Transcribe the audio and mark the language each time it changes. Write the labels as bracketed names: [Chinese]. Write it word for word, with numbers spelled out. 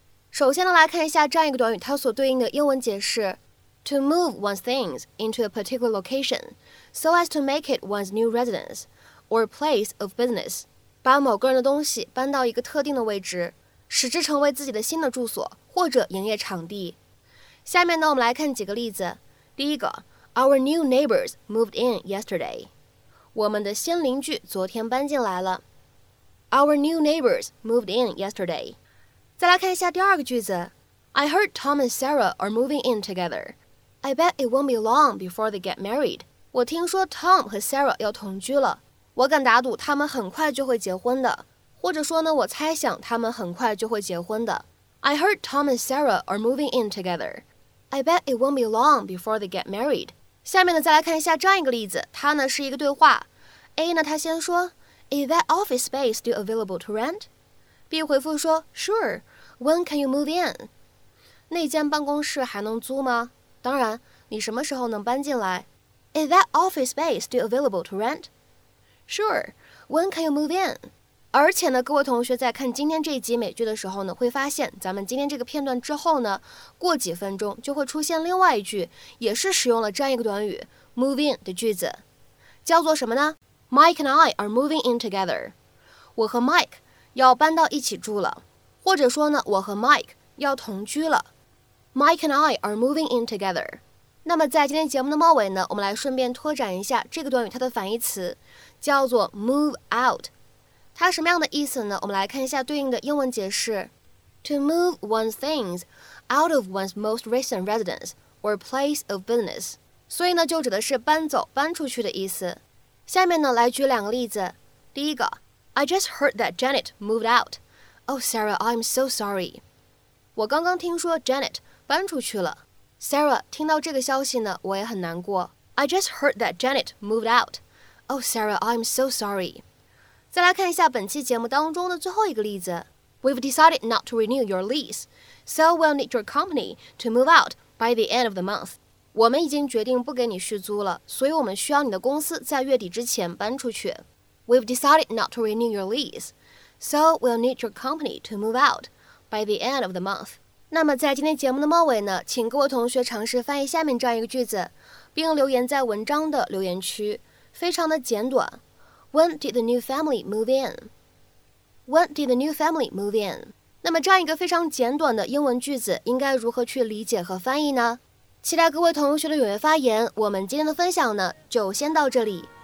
[Chinese] 首先呢，来看一下这样一个短语，它所对应的英文解释 ： [English] to move one's things into a particular location so as to make it one's new residence or place of business， [Chinese] 把某个人的东西搬到一个特定的位置，使之成为自己的新的住所或者营业场地。下面呢，我们来看几个例子。第一个。 [English] Our new neighbors moved in yesterday. [Chinese] 我们的新邻居昨天搬进来了。 [English] Our new neighbors moved in yesterday. [Chinese] 再来看一下第二个句子。 [English] I heard Tom and Sarah are moving in together. I bet it won't be long before they get married. [Chinese] 我听说 Tom 和 Sarah 要同居了。我敢打赌他们很快就会结婚的。或者说呢，我猜想他们很快就会结婚的。 [English] I heard Tom and Sarah are moving in together. I bet it won't be long before they get married. [Chinese] 下面呢，再来看一下这样一个例子，它呢是一个对话。 A 呢，他先说 [English] ，Is that office space still available to rent? [Chinese] B 回复说 ， [English] Sure. When can you move in? [Chinese] 那间办公室还能租吗？当然，你什么时候能搬进来 [English] ？Is that office space still available to rent? Sure. When can you move in? [Chinese] 而且呢，各位同学在看今天这一集美剧的时候呢，会发现咱们今天这个片段之后呢，过几分钟就会出现另外一句，也是使用了这样一个短语 move in 的句子，叫做什么呢？ [English] Mike and I are moving in together。 [Chinese] 我和 Mike 要搬到一起住了，或者说呢，我和 Mike 要同居了。 [English] Mike and I are moving in together。 [Chinese] 那么在今天节目的末尾呢，我们来顺便拓展一下这个短语它的反义词，叫做 move out。它什么样的意思呢？我们来看一下对应的英文解释 ： [English] To move one's things out of one's most recent residence or place of business。 [Chinese] 所以呢，就指的是搬走、搬出去的意思。下面呢，来举两个例子。第一个 [English] ，I just heard that Janet moved out. Oh, Sarah, I'm so sorry. [Chinese] 我刚刚听说 Janet 搬出去了。 Sarah 听到这个消息呢，我也很难过。 [English] I just heard that Janet moved out. Oh, Sarah, I'm so sorry. [Chinese] 再来看一下本期节目当中的最后一个例子。 [English] We've decided not to renew your lease, so we'll need your company to move out by the end of the month. [Chinese] 我们已经决定不给你续租了，所以我们需要你的公司在月底之前搬出去。 [English] We've decided not to renew your lease, so we'll need your company to move out by the end of the month. [Chinese] 那么在今天节目的末尾呢，请各位同学尝试翻译下面这样一个句子，并留言在文章的留言区，非常的简短。 [English] When did the new family move in? When did the new family move in? [Chinese] 那么这样一个非常简短的英文句子，应该如何去理解和翻译呢？期待各位同学的踊跃发言。我们今天的分享呢，就先到这里。